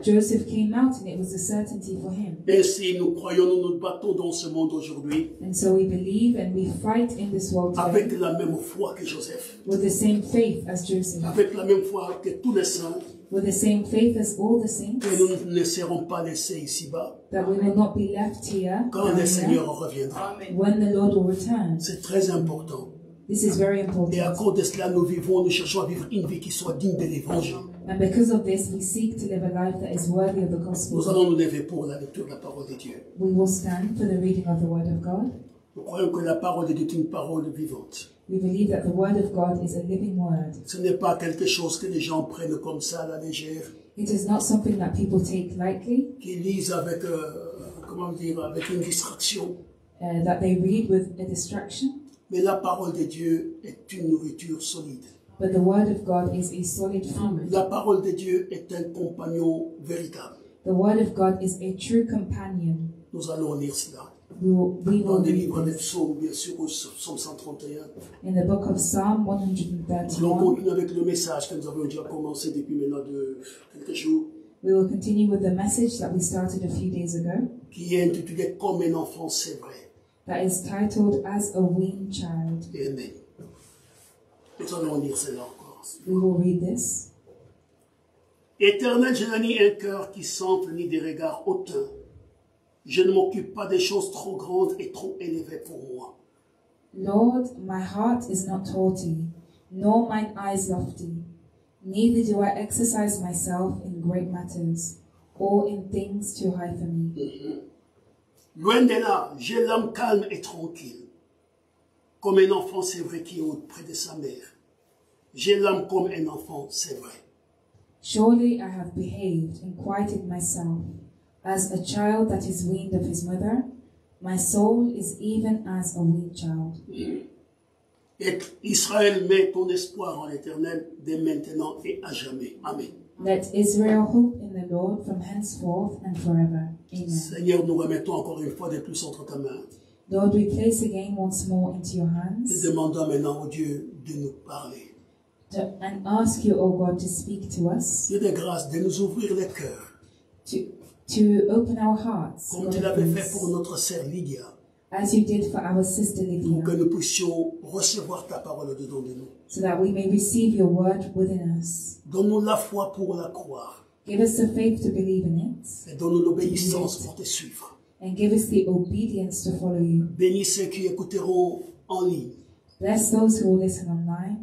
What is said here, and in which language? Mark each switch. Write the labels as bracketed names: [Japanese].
[English] Joseph came out and it was a certainty for him. [French] Et si nous croyons, nous nous battons dans ce monde aujourd'hui. [English] And so we believe and we fight in this world today. [French] Avec la même foi que Joseph. [English] With the same faith as Joseph. [French] Avec la même foi que tous les saints. [English] with the same faith as all the saints, [French] que nous ne serons pas laissés ici-bas, [English] that we will not be left here, [French] quand le Seigneur reviendra. [English] When the Lord will return. [French] C'est très important. [English] This is very important. [French] Et à cause de cela, nous vivons, nous cherchons à vivre une vie qui soit digne de l'Évangile. [English] And because of this, we seek to live a life that is worthy of the gospel. [French] Nous allons nous lever pour la lecture de la parole de Dieu. [English] We will stand for the reading of the word of God. [French] Nous croyons que la parole de Dieu est une parole vivante. [English] We believe that the word of God is a living word. [French] Ce n'est pas quelque chose que les gens prennent comme ça à la légère. [English] It is not something that people take lightly. [French] Qu'ils lisent avec, comment dire, avec une distraction. [English] That they read with a distraction. [French] Mais la parole de Dieu est une nourriture solide. [English] But the word of God is a solid food. [French] La parole de Dieu est un compagnon véritable. [English] The word of God is a true companion. [French] Nous allons lire cela. Dans le livre des psaumes, bien sûr, au psaume 131. [English] In the book of Psalm 131. [French] Nous continuons avec le message que nous avons déjà commencé depuis maintenant de quelques jours. [English] We will continue with the message that we started a few days ago. [French] Qui est intitulé Comme un enfant, c'est vrai. [English] That is titled As a Weaned Child. [French] Amen. Nous allons lire cela encore. [English] We will read this. [French] Éternel, je n'ai ni un cœur qui semble ni des regards hautains. Je ne m'occupe pas des choses trop grandes et trop élevées pour moi. [English] Lord, my heart is not haughty, nor mine eyes lofty. Neither do I exercise myself in great matters, or in things too high for me. [French] Loin de là, j'ai l'âme calme et tranquille. Comme un enfant, c'est vrai, qui est auprès de sa mère. J'ai l'âme comme un enfant, c'est vrai. [English] Surely I have behaved and quieted myself. As a child that is weaned of his mother, my soul is even as a weaned child. [French] Et Israël, met ton espoir en l'Éternel dès maintenant et à jamais. Amen. [English] Let Israel hope in the Lord from henceforth and forever. Amen. [French] Seigneur, nous remettons encore une fois de plus entre ta main. [English] Lord, we place again once more into your hands. [French] Nous demandons maintenant au Dieu de nous parler. [English] And ask you, O God, to speak to us. [French] Dieu de grâce, de nous ouvrir le cœur. [English] To open our hearts. [French] Comme tu l'avais fait pour notre sœur Lydia. [English] As you did for our sister Lydia. [French] Pour que nous puissions recevoir ta parole dedans de nous. [English] So that we may receive your word within us. [French] Donne-nous la foi pour la croire. [English] Give us the faith to believe in it. [French] Et donne-nous l'obéissance pour te suivre. [English] And give us the obedience to follow you. [French] Bénis ceux qui écouteront en ligne. [English] Bless those who will listen online.